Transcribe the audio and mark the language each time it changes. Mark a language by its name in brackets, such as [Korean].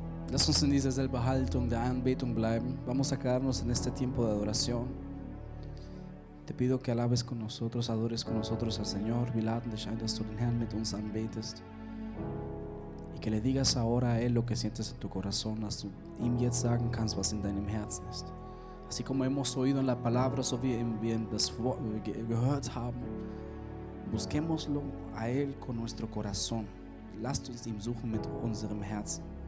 [German] Lass uns in dieser selben Haltung der Anbetung bleiben. [Spanish] Vamos a quedarnos en este tiempo de adoración. Te pido que alabes con nosotros, adores con nosotros al Señor. [German] Wir laden dich ein, dass du den Herrn mit uns anbetest. [Spanish] Y que le digas ahora a Él lo que sientes en tu corazón, [German] dass du ihm jetzt sagen kannst, was in deinem Herzen ist. [Spanish] Así como hemos oído en la palabra, [German] so wie wir das gehört haben, [Spanish] busquémoslo a Él con nuestro corazón. [German] Lasst uns ihm suchen mit unserem Herzen.